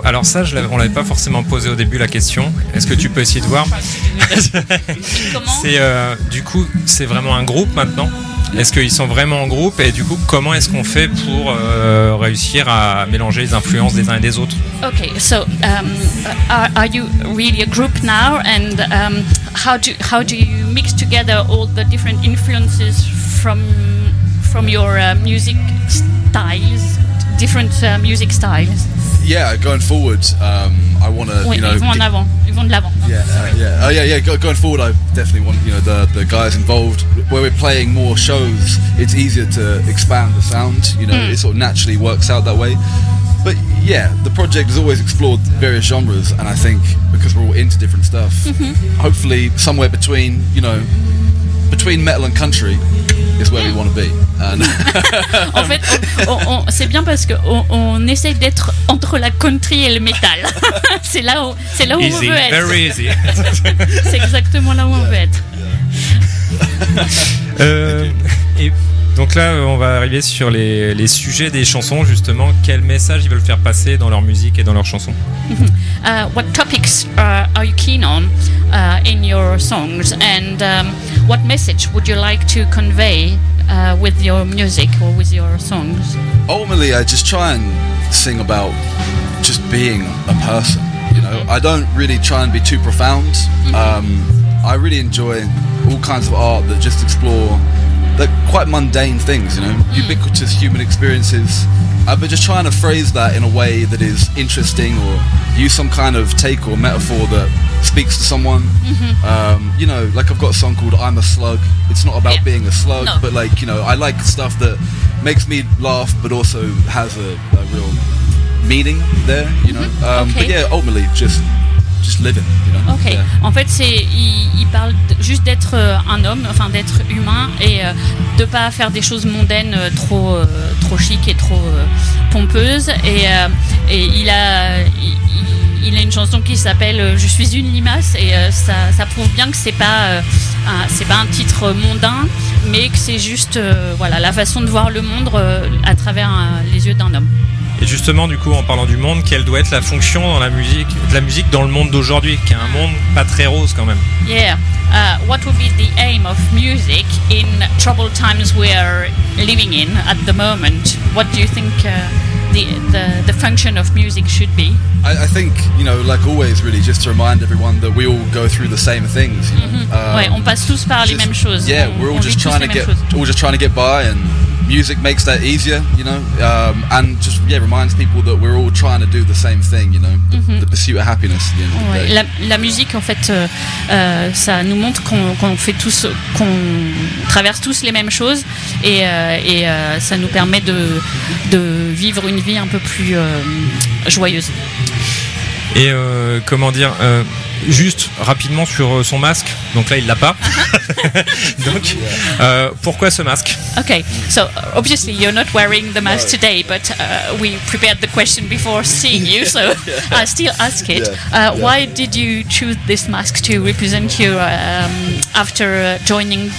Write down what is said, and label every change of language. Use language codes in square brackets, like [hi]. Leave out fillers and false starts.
[fr] Alors ça, on l'avait pas forcément posé au début la question. Est-ce que tu peux essayer de voir? C'est, du coup, c'est vraiment un groupe maintenant? Est-ce qu'ils sont vraiment en groupe? Et du coup, comment est-ce qu'on fait pour réussir à mélanger les influences des uns et des autres? [en] Okay, so are you really a group now? And how do you mix together all the different influences from your music styles? Different music styles. Yeah, going forward, I want to. [fr] Oui, [en] you know, [fr] ils vont de l'avant. [en] Yeah, yeah. Going forward, I definitely want, you know, the guys involved. Where we're playing more shows, it's easier to expand the sound. You know, it sort of naturally works out that way. But yeah, the project has always explored various genres, and I think because we're all into different stuff, hopefully somewhere between, you know, between metal and country is where we want to be. [fr] En fait, c'est bien parce qu'on essaye d'être entre la country et le métal. C'est là où [en] easy, [fr] on veut être. [en] Very easy. [fr] C'est exactement là où on veut être. [en] Yeah. [fr] Donc là, on va arriver sur les sujets des chansons, justement. Quel message ils veulent faire passer dans leur musique et dans leurs chansons? [en] What topics are you keen on in your songs? And what message would you like to convey with your music or with your songs? Ultimately, I just try and sing about just being a person. You know, I don't really try and be too profound. I really enjoy all kinds of art that just explore the quite mundane things, you know, ubiquitous human experiences. But just trying to phrase that in a way that is interesting or use some kind of take or metaphor that speaks to someone. You know, like I've got a song called I'm a Slug. It's not about being a slug, but like, you know, I like stuff that makes me laugh but also has a real meaning there, you know. But yeah, ultimately, just living, you know. Okay. Yeah. [fr] En fait, c'est il parle juste d'être un homme, enfin d'être humain et de pas faire des choses mondaines trop chic et trop pompeuses et il a une chanson qui s'appelle Je suis une limace et ça prouve bien que c'est pas un titre mondain mais que c'est juste voilà, la façon de voir le monde à travers les yeux d'un homme. Et justement, du coup, en parlant du monde, quelle doit être la fonction dans la musique, de la musique dans le monde d'aujourd'hui, qui est un monde pas très rose quand même. [en] Yeah, what would be the aim of music in troubled times we are living in at the moment? What do you think the function of music should be? I think, you know, like always, really, just to remind everyone that we all go through the same things. [fr] Ouais, on passe tous par les mêmes choses. [en] Yeah, we're all just trying to get, by and. Music makes that easier, you know, and just reminds people that we're all trying to do the same thing, you know, the pursuit of happiness. At the end of the day. [fr] La musique, en fait, ça nous montre qu'on fait tous, qu'on traverse tous les mêmes choses, et ça nous permet de vivre une vie un peu plus joyeuse. Et comment dire, juste rapidement sur son masque. Donc là, il l'a pas. Donc, pourquoi ce masque? [en] Okay, so obviously you're not wearing the mask today, but we prepared the question before seeing you, so I still ask it. Why did you choose this mask to represent you after joining?